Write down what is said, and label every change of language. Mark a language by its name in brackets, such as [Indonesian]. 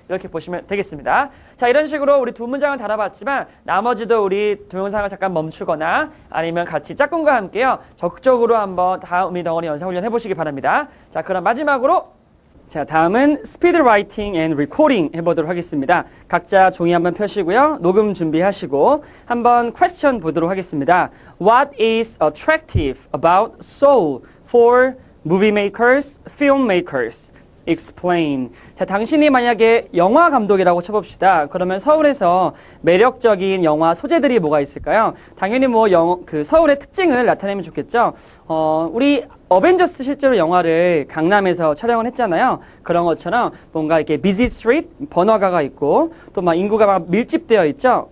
[Korean] 이렇게 보시면 되겠습니다. 자, 이런 식으로 우리 두 문장을 다뤄봤지만 나머지도 우리 동영상을 잠깐 멈추거나 아니면 같이 짝꿍과 함께요. 적극적으로 한번 다음 의미 덩어리 연상훈련 해보시기 바랍니다. 자, 그럼 마지막으로 자, 다음은 스피드 라이팅 앤 리코딩 해보도록 하겠습니다. 각자 종이 한번 펴시고요. 녹음 준비하시고 한번 퀘스천 보도록 하겠습니다. [English] What is attractive about Seoul for movie makers, film makers? Explain. [Korean] 자, 당신이 만약에 영화 감독이라고 쳐봅시다. 그러면 서울에서 매력적인 영화 소재들이 뭐가 있을까요? 당연히 뭐 그 서울의 특징을 나타내면 좋겠죠. 우리 어벤져스 실제로 영화를 강남에서 촬영을 했잖아요. 그런 것처럼 뭔가 이렇게 [English] busy street [Korean] 번화가가 있고 또 막 인구가 막 밀집되어 있죠.